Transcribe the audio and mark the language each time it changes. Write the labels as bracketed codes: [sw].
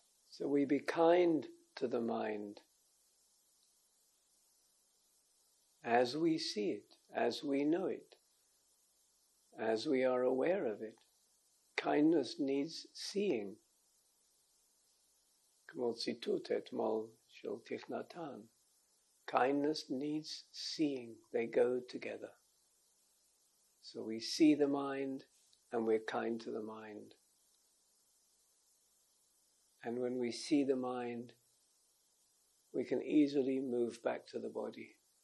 [en] So we be kind to the mind as we see it, as we know it, as we are aware of it. Kindness needs seeing. [he] כמו ציטוט אתמול של תיק נתן. [en] Kindness needs seeing. They go together. So we see the mind and we're kind to the mind. And when we see the mind, we can easily move back to the body.